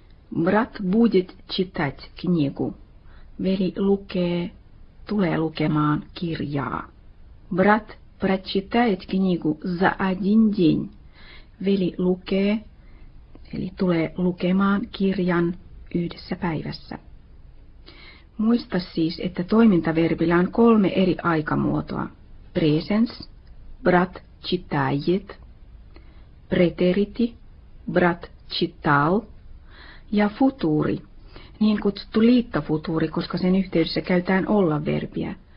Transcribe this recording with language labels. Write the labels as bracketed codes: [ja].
[ru] Brat будет читать книгу. [fi] Veli lukee, tulee lukemaan kirjaa. [ru] Брат прочитает книгу за один день. [fi] Veli lukee, eli tulee lukemaan kirjan yhdessä päivässä. Muista siis, että toimintaverbillä on kolme eri aikamuotoa. Presens, brat citajet, preteriti, brat cital ja futuri, niin kutsuttu liittofuturi, koska sen yhteydessä käytetään olla-verbiä.